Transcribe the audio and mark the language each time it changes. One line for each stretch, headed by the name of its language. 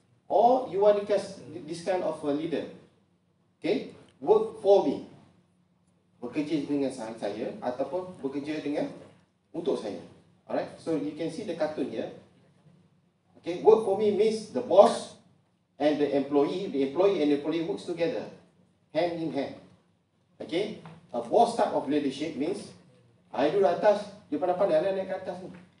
English: Or you want this kind of a leader? Okay? Work for me.
Malay: Bekerja dengan saya ataupun bekerja dengan untuk saya.
English: Alright, so you can see the cartoon here. Okay, work for me means the boss and the employee and the employee works together, hand in hand. Okay, a boss type of leadership means I do
Malay: atas, dia pandai-pandai lah naik atas ni.